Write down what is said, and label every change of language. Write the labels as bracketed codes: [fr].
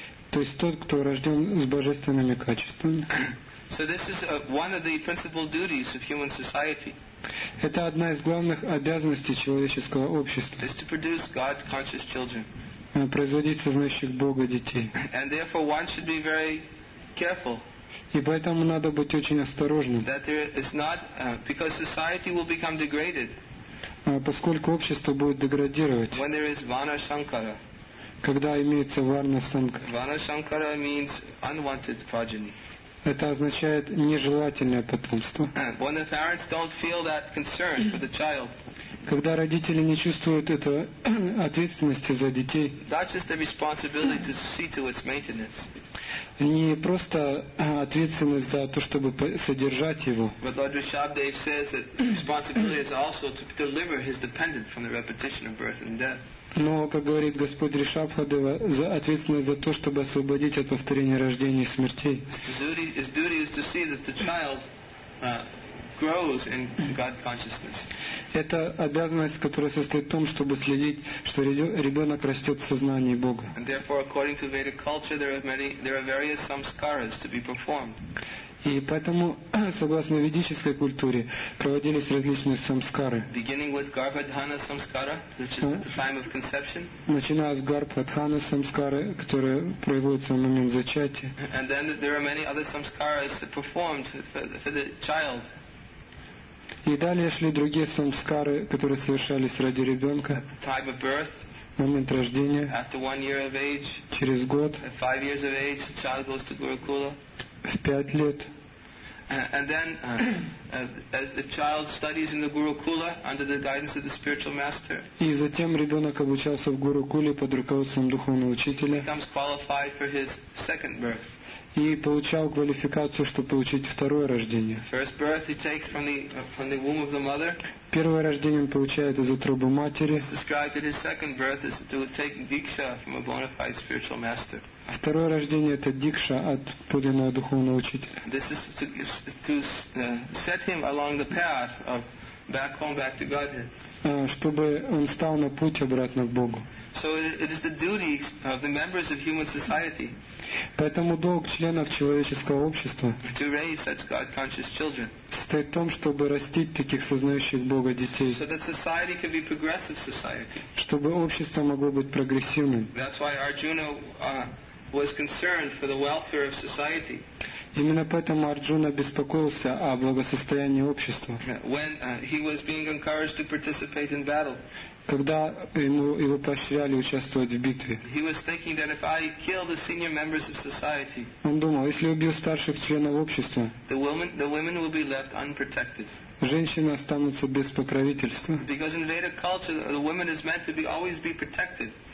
[ru] То есть тот, кто рожден с божественными качествами. [en] So this is one of the principal duties of human society. [ru] Это одна из главных обязанностей человеческого общества. [en] Is to produce God-conscious children. [ru] Производить сознающих Бога детей. [en] And therefore one should be very careful. [ru] И поэтому надо быть очень осторожным. [en] That there is not, because society will become degraded. [ru] Поскольку общество будет деградировать. [en] When there is Vana Shankara. [ru] Когда имеется Варна Санкара. [en] Vana Shankara means unwanted progeny. [ru] Это означает нежелательное потомство. [en] When the parents don't feel that concern for the child. [ru] Когда родители не чувствуют этой ответственности за детей, [en] not just the responsibility to see to its maintenance, [ru] не просто ответственность за то, чтобы содержать его, [en] but Lord Rishabhdev says that responsibility is also to deliver his dependent from the repetition of birth and death. [ru] Но, как говорит Господь Ришабхадева, за ответственность за то, чтобы освободить от повторения рождения и смертей. [en] His duty is to see that the child grows in God consciousness. [ru] Это обязанность, которая состоит в том, чтобы следить, что ребенок растет в сознании Бога. [en] And therefore, according to Vedic culture, there are various samskaras to be performed. [ru] И поэтому, согласно ведической культуре, проводились различные самскары. [en] Beginning with Garbhadhana samskara, which is the time of conception. [ru] Начиная с Garbhadhana samskara, которая проводится в момент зачатия. [en] And then there are many other samskaras performed for the child. [ru] И далее шли другие самскары, которые совершались ради ребенка. [en] At the time of birth. [ru] В момент рождения. [en] After 1 year of age. [ru] Через год. [en] At 5 years of age, the child goes to Gurukula. [ru] В 5 лет. [en] And then, as the child studies in the Gurukula under the guidance of the spiritual master. [ru] И затем ребенок обучался в Гурукуле под руководством духовного учителя. [en] Becomes qualified for his second birth. [ru] И получал квалификацию, чтобы получить второе рождение. [en] First birth he takes from the womb of the mother. [ru] Первое рождение он получает из утробы матери. [en] It's described that his second birth is to take diksha from a bona fide spiritual master. [ru] Второе рождение это дикша от подлинного духовного учителя. [en] This is to set him along the path of back home, back to Godhead. [ru] Чтобы он стал на путь обратно к Богу. [en] So it is the duty of the members of human society. [ru] Поэтому долг членов человеческого общества [en] to raise such God-conscious children. [ru] Стоит в том, чтобы растить таких сознающих Бога детей. [en] So that society can be progressive society. [ru] Чтобы общество могло быть прогрессивным. [en] That's why Arjuna was concerned for the welfare of society. [ru] Именно поэтому Арджуна беспокоился о благосостоянии общества. [en] When he was being encouraged to participate in battle. [ru] когда ему его поощряли участвовать в битве. [en] He was thinking that if I kill the senior members of society, [ru] он думал, если убью старших членов общества, [en] the women will be left unprotected. [ru] Женщины останутся без покровительства. [en] Because in Vedic culture, the woman is meant to be always be protected.